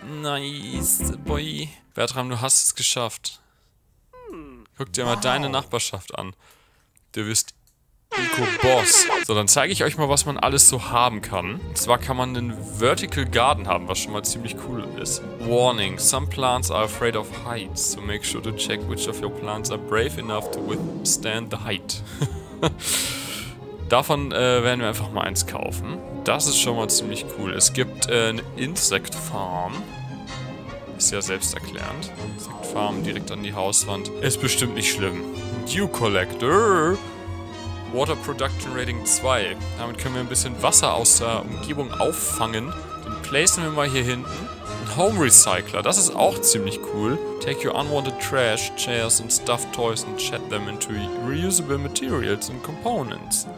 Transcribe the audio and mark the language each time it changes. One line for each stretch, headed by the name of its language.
German: Nice, boy. Bertram, du hast es geschafft. Guck dir mal deine Nachbarschaft an. Du wirst Eco-Boss. So, dann zeige ich euch mal, was man alles so haben kann. Und zwar kann man einen Vertical Garden haben, was schon mal ziemlich cool ist.
English: Warning, some plants are afraid of heights, so make sure to check which of your plants are brave enough to withstand the height.
German: Davon werden wir einfach mal eins kaufen. Das ist schon mal ziemlich cool. Es gibt eine Insect Farm. Ist ja selbsterklärend. Insect Farm direkt an die Hauswand. Ist bestimmt nicht schlimm. Dew Collector.
English: Water Production Rating 2.
German: Damit können wir ein bisschen Wasser aus der Umgebung auffangen. Den placen wir mal hier hinten. Ein Home Recycler. Das ist auch ziemlich cool.
English: Take your unwanted trash, chairs and stuffed toys and shed them into reusable materials and components.